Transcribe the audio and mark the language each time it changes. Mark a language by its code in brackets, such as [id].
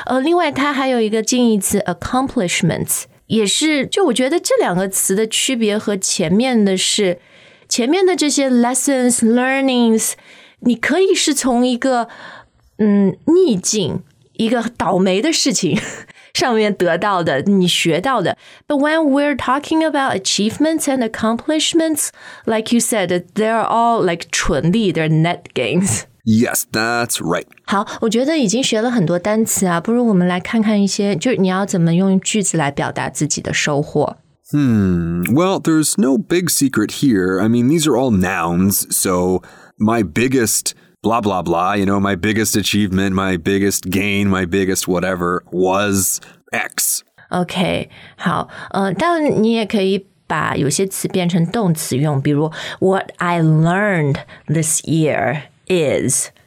[zh] 另外它还有一个近义词 ,accomplishments, 也是就我觉得这两个词的区别和前面的是前面的这些 lessons, learnings, 你可以是从一个逆境一个倒霉的事情上面得到的你学到的。 [en] But when we're talking about achievements and accomplishments, like you said, they're all like [zh] 纯利 [en] they're net gains. Yes, that's right. [zh] 好我觉得已经学了很多单词啊不如我们来看看一些就是你要怎么用句子来表达自己的收获。 [en] Well, there's no big secret here. I mean, these are all nouns, so my biggest blah, blah, blah, you know, my biggest achievement, my biggest gain, my biggest whatever was X. [zh] Okay, 好，但你也可以把有些词变成动词用，比如 [en] what I learned this year is...